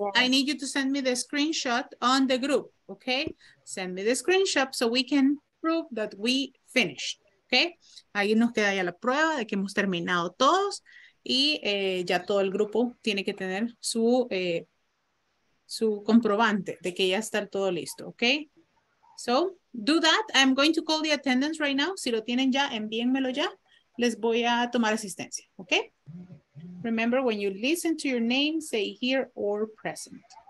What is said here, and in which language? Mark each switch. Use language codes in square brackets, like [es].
[en] I need you to send me the screenshot on the group, okay? Send me the screenshot so we can prove that we finished, okay? [es] Ahí nos queda ya la prueba de que hemos terminado todos y ya todo el grupo tiene que tener su su comprobante de que ya está todo listo, okay? [en] So, do that. I'm going to call the attendance right now. [es] Si lo tienen ya, envíenmelo ya. Les voy a tomar asistencia, [en] okay? Remember, when you listen to your name, say here or present.